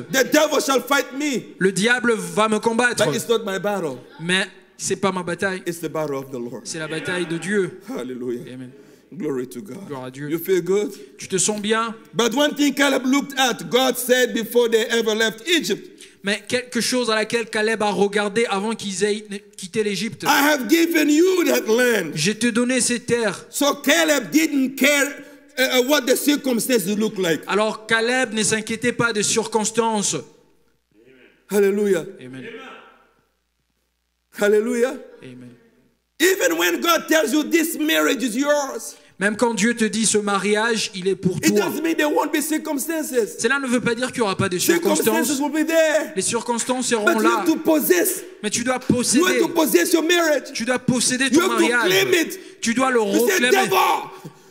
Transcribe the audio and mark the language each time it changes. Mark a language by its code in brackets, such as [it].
[en] The devil shall fight me. [fr] Le diable va me combattre. [en] But it's not my battle. [fr] Mais c'est pas ma bataille. [en] It's the battle of the Lord. [fr] C'est la bataille de Dieu. [en] Hallelujah. [fr] Amen. [en] Glory to God. [fr] Gloire à Dieu. [en] You feel good? [fr] Tu te sens bien? [en] But one thing Caleb looked at, God said before they ever left Egypt. [fr] Mais quelque chose à laquelle Caleb a regardé avant qu'ils aient quitté l'Égypte. [en] I have given you that land. [fr] Je t'ai donné ces terres. [en] So Caleb didn't care what the circumstances look like. [fr] Alors Caleb ne s'inquiétait pas des circonstances. [en] Amen. Hallelujah. [fr] Amen. Amen. [en] Hallelujah. [fr] Amen. [en] Even when God tells you this marriage is yours. [fr] Même quand Dieu te dit ce mariage, il est pour [en] it [fr] toi. [en] It doesn't mean there won't be circumstances. [fr] Cela ne veut pas dire qu'il n'y aura pas de circonstances. [en] Circumstances will be there. [fr] Les circonstances seront [en] but [fr] là. [en] You have to possess. [fr] Mais tu dois posséder. [en] You have to possess your marriage. [fr] Tu dois posséder [en] you [fr] ton mariage. [en] You have to claim it. [fr] Tu dois le réclamer.